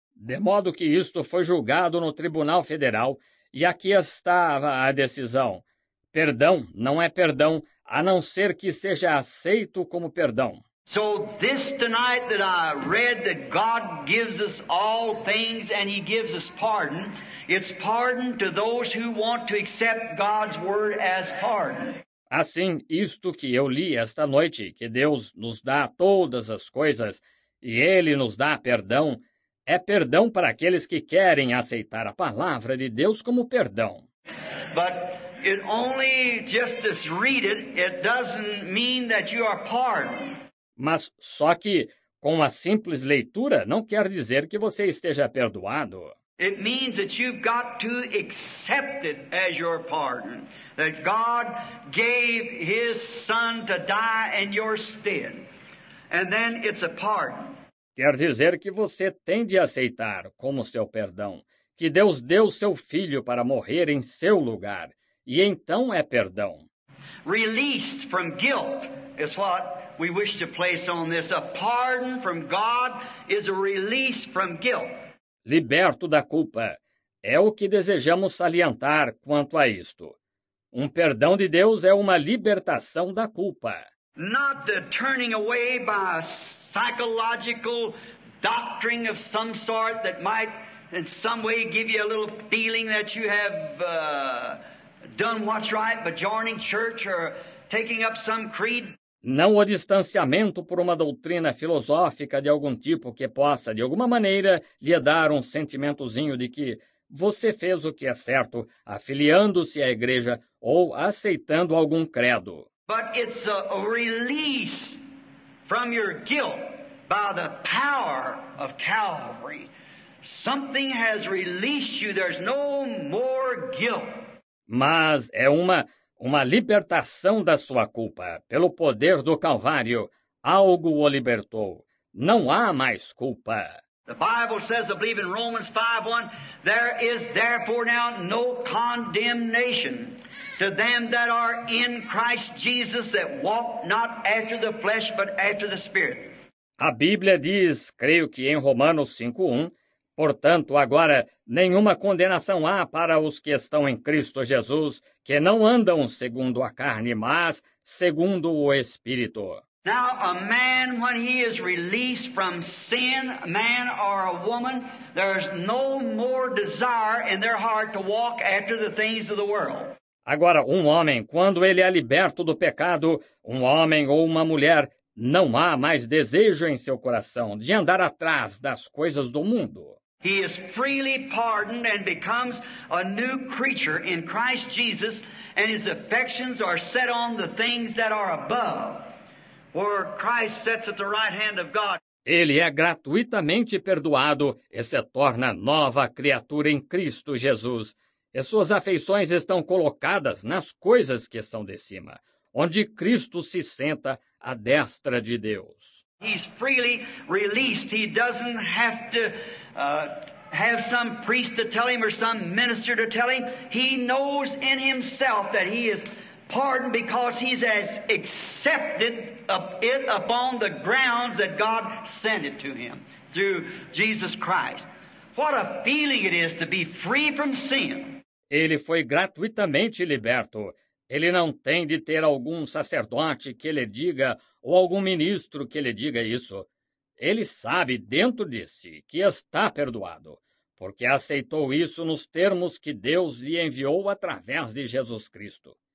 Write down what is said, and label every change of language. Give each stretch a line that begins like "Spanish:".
Portuguese: De modo que isto foi julgado no Tribunal Federal, e aqui estava a decisão. Perdão não é perdão, a não ser que seja aceito como perdão.
English: So this tonight that I read that God gives us all things and he gives us pardon, it's pardon to those who want to accept God's word as pardon.
Portuguese: Assim, isto que eu li esta noite, que Deus nos dá todas as coisas e ele nos dá perdão, é perdão para aqueles que querem aceitar a palavra de Deus como perdão.
English: But it only just as read it, it doesn't mean that you are pardoned.
Portuguese: Mas só que com a simples leitura não quer dizer que você esteja perdoado.
English: It means that you've got to accept it as your pardon, that God gave his son to die in your stead. And then it's a pardon.
Portuguese: Quer dizer que você tem de aceitar como seu perdão, que Deus deu seu filho para morrer em seu lugar, e então é perdão.
English: Released from guilt is what we wish to place on this. A pardon from God is a release from guilt.
Portuguese: Liberto da culpa é o que desejamos salientar quanto a isto. Um perdão de Deus é uma libertação da culpa.
English: Not the turning away by a psychological doctrine of some sort that might in some way give you a little feeling that you have done what's right by joining church or taking up some creed.
Portuguese: Não o distanciamento por uma doutrina filosófica de algum tipo que possa, de alguma maneira, lhe dar um sentimentozinho de que você fez o que é certo, afiliando-se à igreja ou aceitando algum credo.
English: But it's a release from your guilt by the power of Calvary. Something has released you. There's no more guilt.
Portuguese: Mas é uma libertação da sua culpa. Pelo poder do Calvário, algo o libertou. Não há mais culpa.
English: The Bible says, I believe in Romans 5:1, there is therefore now no condemnation to them that are in Christ Jesus that walk not after the flesh but after the Spirit.
Portuguese: A Bíblia diz, creio que em Romanos 5:1, portanto, agora, nenhuma condenação há para os que estão em Cristo Jesus, que não andam segundo a carne, mas segundo o Espírito.
English: Now, a man, when he is released from sin, a man or a woman, there's no more desire in their heart to walk after the things of the world.
Portuguese: Agora, um homem, quando ele é liberto do pecado, um homem ou uma mulher, não há mais desejo em seu coração de andar atrás das coisas do mundo.
English: He is freely pardoned and becomes a new creature in Christ Jesus, and his affections are set on the things that are above, where Christ sits at the right hand of God.
Portuguese: Ele é gratuitamente perdoado e se torna nova criatura em Cristo Jesus, e suas afeições estão colocadas nas coisas que são de cima, onde Cristo se senta à destra de Deus.
English: He's freely released. He doesn't have to have some priest to tell him or some minister to tell him. He knows in himself that he is pardoned because he has accepted it upon the grounds that God sent it to him through Jesus Christ. What a feeling it is to be free from sin.
Portuguese: ele foi gratuitamente liberto. Ele não tem de ter algum sacerdote que lhe diga ou algum ministro que lhe diga isso. Ele sabe dentro de si que está perdoado, porque aceitou isso nos termos que Deus lhe enviou através de Jesus Cristo.